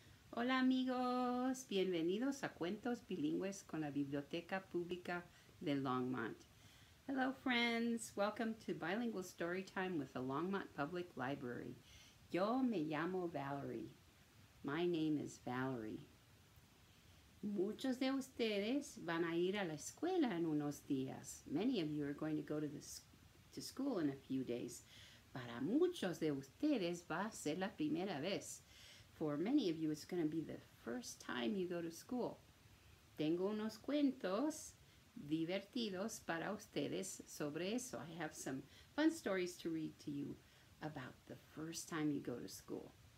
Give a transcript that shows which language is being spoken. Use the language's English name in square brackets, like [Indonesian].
[Spanish] Hola amigos, bienvenidos a Cuentos Bilingües con la Biblioteca Pública de Longmont. [English] Hello friends, welcome to Bilingual Storytime with the Longmont Public Library. [Spanish] Yo me llamo Valerie. [English] My name is Valerie. [Spanish] Muchos de ustedes van a ir a la escuela en unos días. [English] Many of you are going to go to school in a few days. [Spanish] Para muchos de ustedes va a ser la primera vez. [English] For many of you, it's going to be the first time you go to school. [Spanish] Tengo unos cuentos divertidos para ustedes sobre eso. [English] I have some fun stories to read to you about the first time you go to school.